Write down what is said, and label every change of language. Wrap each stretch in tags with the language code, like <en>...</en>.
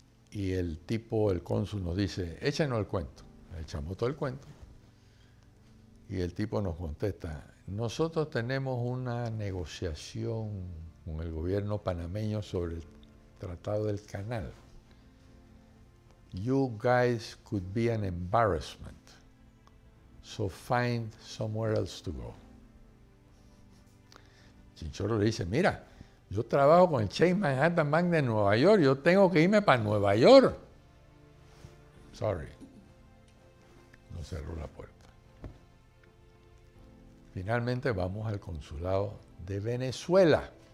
<es>Y el tipo, el cónsul, nos dice, échenos el cuento. Le echamos todo el cuento. Y el tipo nos contesta, nosotros tenemos una negociación con el gobierno panameño sobre el Tratado del Canal.</es> <en>You guys could be an embarrassment, so find somewhere else to go.</en> <es>Chinchorro le dice, mira, yo trabajo con el Chase Manhattan Bank de Nueva York, yo tengo que irme para Nueva York. Sorry. No cerró la puerta. Finalmente vamos al consulado de Venezuela.</es>